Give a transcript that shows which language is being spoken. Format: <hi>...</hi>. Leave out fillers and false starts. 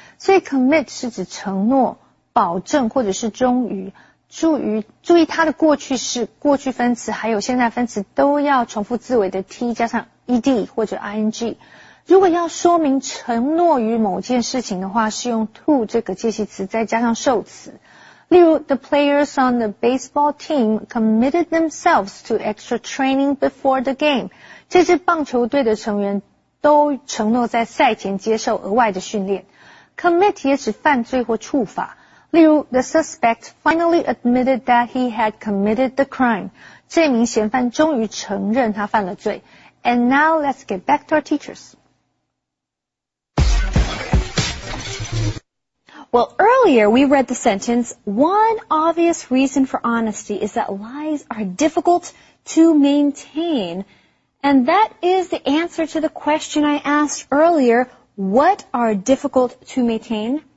<zh>所以 commit 是指承诺、保证或者是忠于。注意它的过去式、过去分词还有现在分词都要重复字尾的 T 加上 ED 或者 ING。如果要说明承诺于某件事情的话，是用 to 这个介系词再加上受词。例如</zh> <en>,the players on the baseball team committed themselves to extra training before the game.</en> <zh>这支棒球队的成员都承诺在赛前接受额外的训练。 commit 也指犯罪或触法。例如</zh> <en>,the suspect finally admitted that he had committed the crime.</en> <zh>这名嫌犯终于承认他犯了罪。</zh> <en>And now let's get back to our teachers. Well, earlier we read the sentence, one obvious reason for honesty is that lies are difficult to maintain. And that is the answer to the question I asked earlier, what are difficult to maintain?</en>